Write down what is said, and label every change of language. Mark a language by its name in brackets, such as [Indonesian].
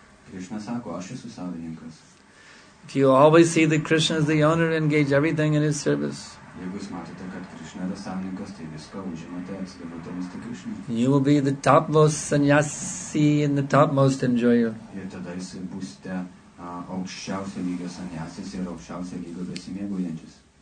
[Lithuanian] Krishna sako, aš esu savininkas. [English] If you always see that Krishna is the owner, engage everything in his service. [Lithuanian] Jeigu jūs matote, kad Krishna yra savininkas, tai viską užimate, atsidavote mums tik Krishna. [English] You will be the topmost sannyasi and the topmost enjoyer. [Lithuanian] Ir tada jūs būsite aukščiausio lygio sannyasis ir aukščiausio lygio besimėgaujantis.